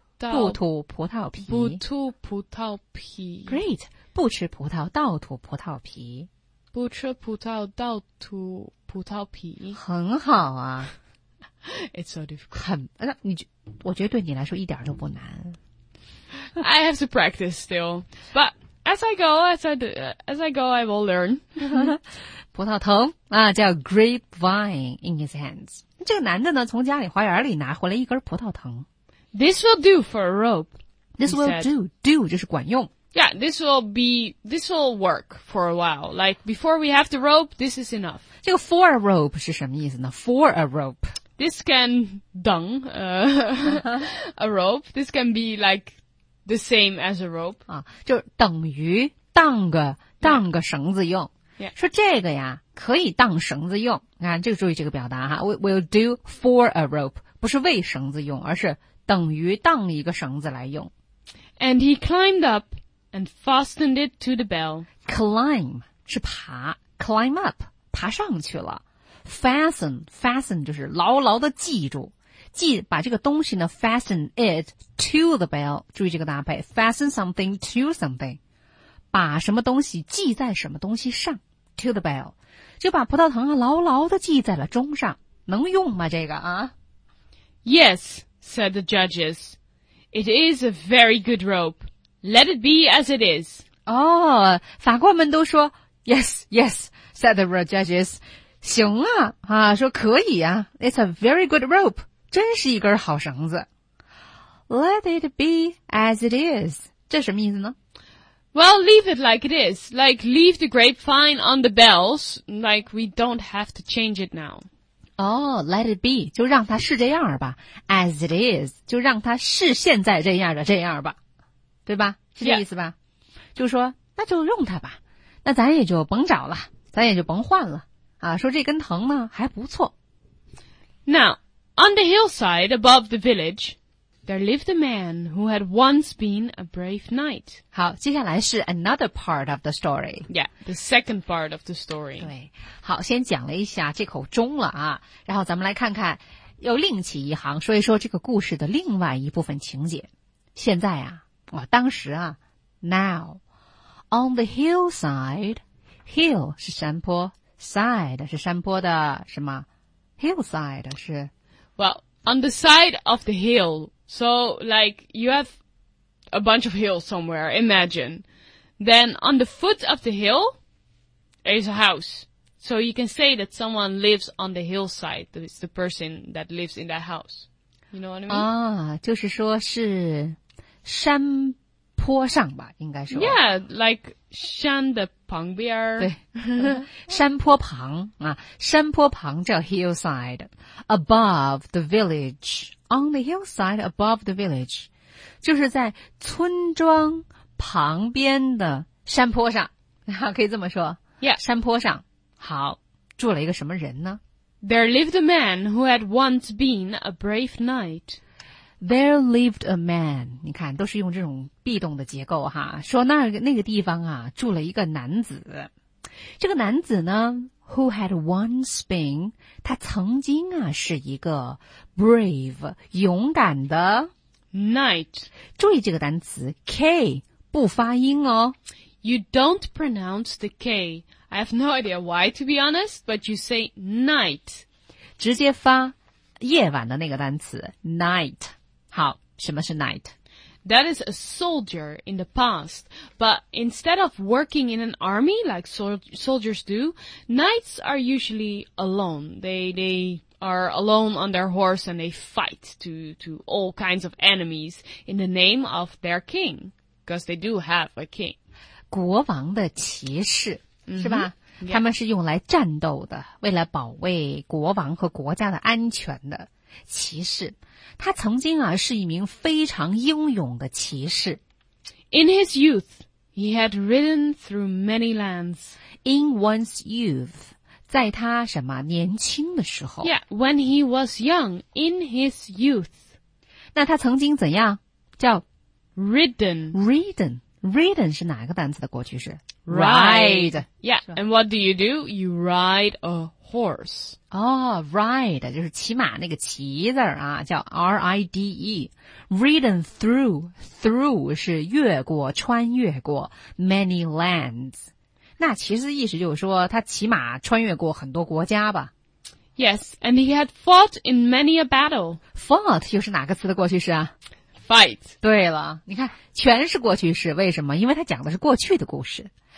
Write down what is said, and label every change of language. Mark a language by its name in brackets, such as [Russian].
[Chinese] 不吐葡萄皮不吐葡萄皮 [English] Great [Chinese] 不吃葡萄倒吐葡萄皮不吃葡萄倒吐葡萄皮很好啊 [English] It's so difficult [Chinese] 很你我觉得对你来说一点都不难 [English] I have to practice still But as I go as I go I will learn [Chinese] 葡萄藤、啊、叫 grapevine [English] in his hands [Chinese] 这个男的呢从家里花园里拿回来一根葡萄藤 [English] This will do for a rope. This will do. Do [Chinese] 就是管用。 [English] Yeah, this will work for a while. Like, before we have the rope, this is enough. [Chinese] 这个 [English] for a rope [Chinese] 是什么意思呢? [English] For a rope. This can [Chinese] 等 [English] a rope. This can be like the same as a rope. [Chinese] 啊，就等于当个绳子用。 [English] Yeah. [Chinese] 说这个呀可以当绳子用。啊，这个注意这个表达哈。 [English] Will do for a rope. [Chinese] 不是为绳子用而是等于当一个绳子来用。 [English] And he climbed up and fastened it to the bell. [Chinese] Climb 是爬 , [English] climb up, [Chinese] 爬上去了。 Fasten 就是牢牢的记住。记把这个东西呢 , [English] fasten it to the bell, [Chinese] 注意这个搭配 , [English] fasten something to something, [Chinese] 把什么东西记在什么东西上 , [English] to the bell, [Chinese] 就把葡萄藤啊牢牢的记在了钟上。能用吗这个啊 [English] ?Yes. Said the judges, "It is a very good rope. Let it be as it is." [Chinese] Oh, 法官们都说 [English] "Yes, yes." Said the judges, [Chinese] 行啊啊，说可以啊。 [English] It's a very good rope. [Chinese] 真是一根好绳子。 [English] Let it be as it is. [Chinese] 这什么意思呢？ [English] Well, leave it like it is. Like leave the grapevine on the bells. Like we don't have to change it now. Oh, let it be, [Chinese] 就让它是这样吧。 [English] As it is, [Chinese] 就让它是现在这样的这样吧。对吧是这意思吧、 [English] yeah. [Chinese] 就说那就用它吧。那咱也就甭找了咱也就甭换了。啊说这根藤呢还不错。 [English] Now, on the hillside above the village, there lived a man who had once been a brave knight. [Chinese] 好接下来是 [English] another part of the story. Yeah, the second part of the story. [Chinese] 对。好先讲了一下这口钟了啊。然后咱们来看看又另起一行说一说这个故事的另外一部分情节。现在啊哇当时啊 , [English] now, on the hillside, [Chinese] hill 是山坡 ,side 是山坡的什么 ?hillside 是 [English] ?Well, on the side of the hill,So, like, you have a bunch of hills somewhere, imagine. Then, on the foot of the hill, there is a house. So, you can say that someone lives on the hillside. It's the person that lives in that house. You know what I mean? [Chinese] 啊，就是说是山坡上吧，应该说。 [English] Yeah, like [Chinese] 山的旁边。对，山坡旁啊，山坡旁叫 hillside, [English] above the village, on the hillside above the village, [Chinese] 就是在村庄旁边的山坡上，啊，可以这么说。 [English] Yeah, [Chinese] 山坡上，好，住了一个什么人呢？ [English] There lived a man who had once been a brave knight. There lived a man. [Chinese] 你看，都是用这种 be 动的结构哈，说那个地方啊，住了一个男子。这个男子呢 ， [English] who had once been， [Chinese] 他曾经啊是一个 brave 勇敢的 [English] knight。 [Chinese] 注意这个单词 k 不发音哦。 [English] You don't pronounce the k. I have no idea why, to be honest, but you say night. [Chinese] 直接发夜晚的那个单词 night. 好，什么是 night? [English] That is a soldier in the past, but instead of working in an army like soldiers do, knights are usually alone. They are alone on their horse and they fight to all kinds of enemies in the name of their king, because they do have a king. [Chinese] 国王的骑士。是吧、 [English] mm-hmm. yeah. [Chinese] 他们是用来战斗的，为了保卫国王和国家的安全的骑士。他曾经啊是一名非常英勇的骑士。 [English] In his youth, he had ridden through many lands. In one's youth, [Chinese] 在他什么年轻的时候。 [English] Yeah, when he was young, in his youth. [Chinese] 那他曾经怎样叫 [English] ridden. Ridden. [Chinese] Ridden 是哪个单词的过去式？ [English] Ride. Yeah, and what do? You ride a horse. [Chinese] Oh, ride, 就是骑马那个骑字啊，叫 R-I-D-E. [English] Ridden through, [Chinese] through 是越过穿越过 [English] many lands. [Chinese] 那其实意思就是说他骑马穿越过很多国家吧。 [English] Yes, and he had fought in many a battle. [Chinese] Fought 又是哪个词的过去式啊？ [English] Fight. [Chinese] 对了，你看全是过去式，为什么？因为他讲的是过去的故事。